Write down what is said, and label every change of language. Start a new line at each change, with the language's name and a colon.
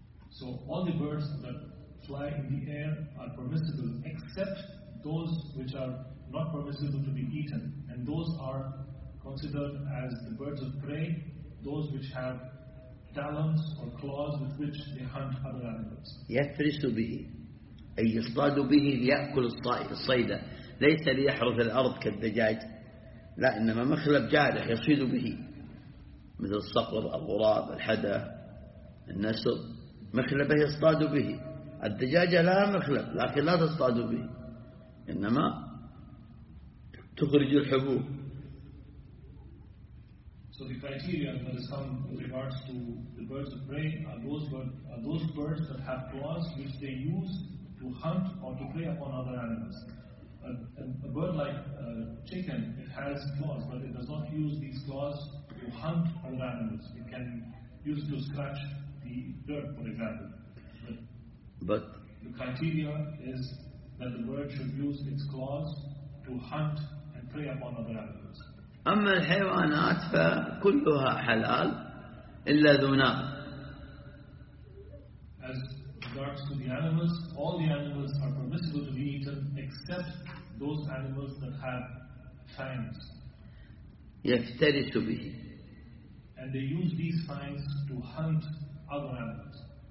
English: So all the birds that fly in the air are permissible except those which are not permissible to be eaten, and those are considered as the birds of prey, those which have talons or claws with which they hunt other animals.
Arabic: يفرس به أي يصطاد به ليأكل الصيدة، ليس ليحرث الأرض كالدجاج، لا، إنما مخلب جارح يصيد به مثل الصقر، الغراب، الحدى، النسر، مخلبه يصطاد به. الدجاجة لها مخلب لكن لا تصطاد به، إنما تخرج الحبوب.
English: So the criteria that is come with regards to the birds of prey are those birds that have claws which they use to hunt or to prey upon other animals. A bird like a chicken, it has claws, but it does not use these claws to hunt other animals. It can use to scratch the dirt, for example. But the criteria is that the bird should use its claws to hunt and prey upon other animals.
Arabic: أما الحيوانات فكلها حلال إلا ذو نار.
English: As regards to the animals, all the animals are permissible to be eaten except those animals that have fangs.
Arabic: يفترس به.
English: And they use these fangs to hunt other animals.